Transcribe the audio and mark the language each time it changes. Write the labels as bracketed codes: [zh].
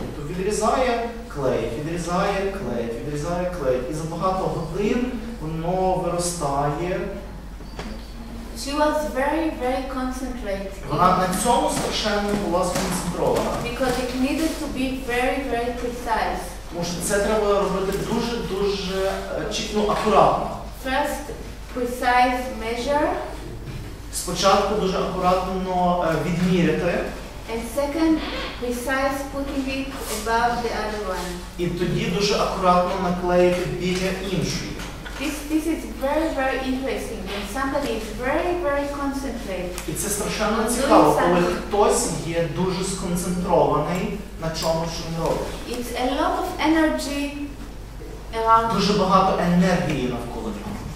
[uk] Тобто відрізає, клеїть, відрізає, клеїть, відрізає, клеїть. І за багато годин воно виростає. [en] She was very, very concentrated. [uk] Вона на цьому страшенно була сконцентрована. [en] Because it needed to be very, very precise. [uk] Тому що це треба робити дуже, дуже чітко, акуратно. [en] First, precise measure. [uk] Спочатку дуже акуратно відміряти. [en] And second, precise putting it above the other one. [uk] І тоді дуже акуратно наклеїти біля іншої. [en] This is very, very interesting when somebody is very, very concentrated. [uk] І це страшенно цікаво, коли хтось є дуже сконцентрований на чому, що він робить. [en] It's a lot of energy around. [uk] Дуже багато енергії навколо нього.